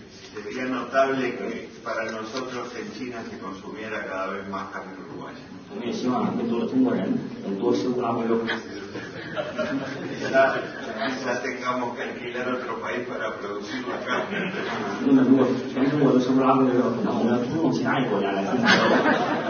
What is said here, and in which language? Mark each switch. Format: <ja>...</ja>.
<es>Sería notable que para nosotros en China se consumiera cada vez más carne uruguaya.</es> <zh>我们也希望更多的中国人能多吃乌拉圭肉。</zh> <es>quizá tengamos que alquilar otro país para producirlo acá.</es> <zh>那么如果全中国都吃乌拉圭肉，那我们要租用其他一个国家来生产肉。</zh>